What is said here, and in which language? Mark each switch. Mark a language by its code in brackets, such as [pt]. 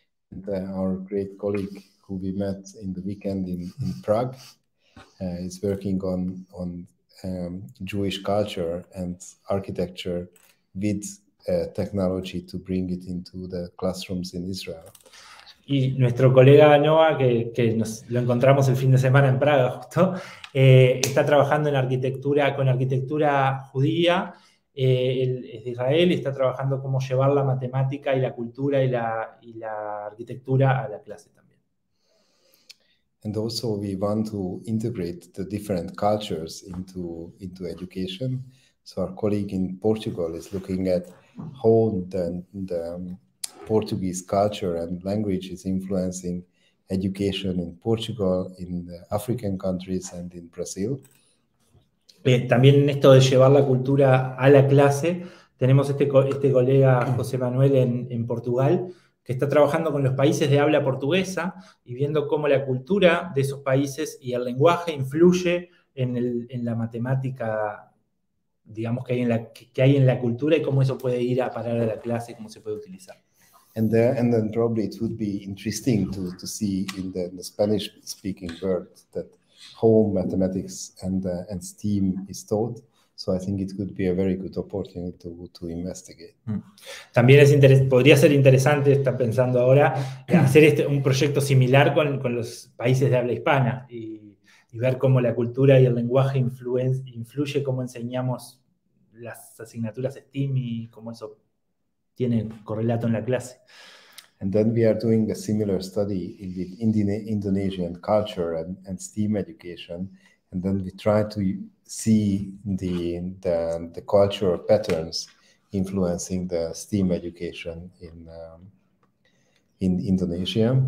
[en] And our great colleague who we met in the weekend in Prague is working on Jewish culture and architecture with technology to bring it into the classrooms in Israel. [es] Y nuestro colega Noah, que nos lo encontramos el fin de semana en Praga justo, está trabajando en arquitectura, con arquitectura judía, él es de Israel, y está trabajando cómo llevar la matemática y la cultura y la arquitectura a la clase también. [en] And also we want to integrate the different cultures into education. So our colleague in Portugal is looking at how the Portuguese culture and language is influencing education in Portugal, in the African countries, and in Brazil. [es] También en esto de llevar la cultura a la clase, tenemos este colega José Manuel en Portugal, que está trabajando con los países de habla portuguesa y viendo cómo la cultura de esos países y el lenguaje influye en la matemática, digamos, que hay en la cultura, y cómo eso puede ir a parar a la clase, cómo se puede utilizar. [en] And then probably it would be interesting to see in the Spanish speaking world that home mathematics and STEAM is taught. So I think it could be a very good opportunity to investigate. [es] También podría ser interesante, está pensando ahora, hacer un proyecto similar con los países de habla hispana y ver cómo la cultura y el lenguaje influye cómo enseñamos las asignaturas STEAM y cómo eso tiene correlato en la clase. [en] And then we are doing a similar study in the Indonesian culture and STEAM education, and then we try to see the cultural patterns influencing the STEAM education in Indonesia.